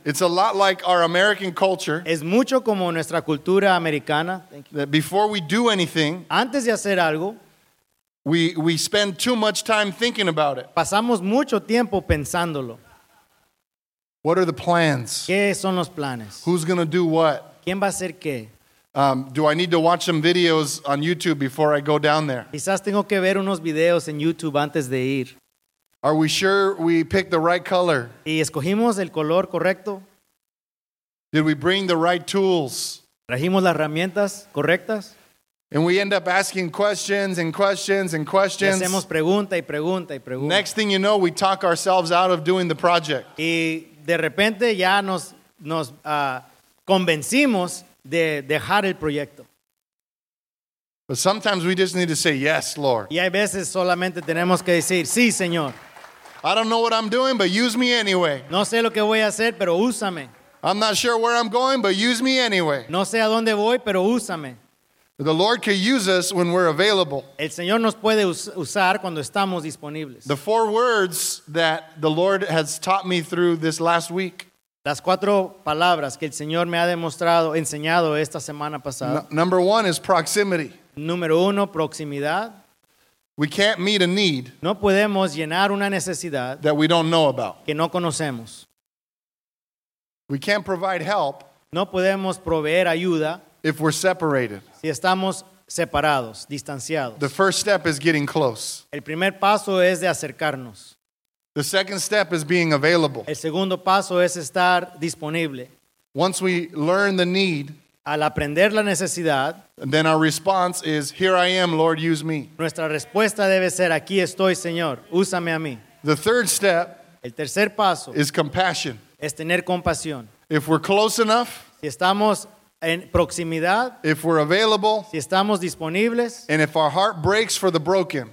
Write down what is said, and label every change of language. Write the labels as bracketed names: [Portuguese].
[English] it's a lot like our American culture. [Spanish] Es mucho como nuestra cultura americana. [English] Thank you. That before we do anything, [Spanish] antes de hacer algo, [English] we spend too much time thinking about it. [Spanish] Pasamos mucho tiempo pensándolo. [English] What are the plans? [Spanish] ¿Qué son los planes? [English] Who's going to do what? [Spanish] ¿Quién va a hacer qué? [English] Do I need to watch some videos on YouTube before I go down there? [Spanish] Quizás tengo que ver unos videos en YouTube antes de ir. [English] Are we sure we picked the right color? [Spanish] ¿Y escogimos el color correcto? [English] Did we bring the right tools? [Spanish] ¿Trajimos las herramientas correctas? [English] And we end up asking questions and questions and questions. [Spanish] Y hacemos pregunta y pregunta y pregunta. [English] Next thing you know, we talk ourselves out of doing the project. [Spanish] Y de repente ya nos convencimos de dejar el proyecto. [English] But sometimes we just need to say yes, Lord. [Spanish] Y hay veces solamente tenemos que decir sí, Señor. [English] I don't know what I'm doing, but use me anyway. [Spanish] No sé lo que voy a hacer, pero úsame. [English] I'm not sure where I'm going, but use me anyway. [Spanish] No sé a dónde voy, pero úsame. [English] The Lord can use us when we're available. [Spanish] El Señor nos puede usar cuando estamos disponibles. [English] The four words that the Lord has taught me through this last week. [Spanish] Las cuatro palabras que el Señor me ha demostrado, enseñado esta semana pasada. [English] Number one is proximity. [Spanish] Número uno, proximidad. [English] We can't meet a need. [Spanish] No podemos llenar una necesidad. [English] That we don't know about. [Spanish] Que no conocemos. [English] We can't provide help. [Spanish] No podemos proveer ayuda. [English] If we're separated. [Spanish] Si estamos separados, distanciados. [English] The first step is getting close. [Spanish] El primer paso es de acercarnos. [English] The second step is being available. [Spanish] El segundo paso es estar disponible. [English] Once we learn the need, [Spanish] al aprender la necesidad, [English] then our response is, "Here I am, Lord, use me." [Spanish] Nuestra respuesta debe ser, "Aquí estoy, Señor, úsame a mí." [English] The third step, [Spanish] el tercer paso, [English] is compassion. [Spanish] Es tener compasión. [English] If we're close enough, [Spanish] si estamos en proximidad, [English] if we're available, [Spanish] si estamos disponibles, [English] and if our heart breaks for the broken,